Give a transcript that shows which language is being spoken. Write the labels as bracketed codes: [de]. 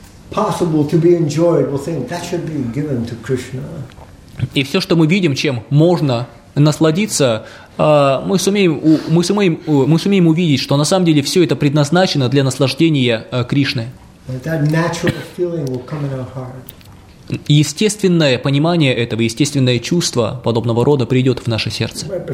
[en] Possible to be enjoyed, we'll think that should be given to Krishna. [ru] И все, что мы видим, чем можно насладиться, мы сумеем увидеть, что на самом деле все это предназначено для наслаждения Кришны. [en] That natural feeling will come in our heart. [ru] Естественное понимание этого, естественное чувство подобного рода придет в наше сердце.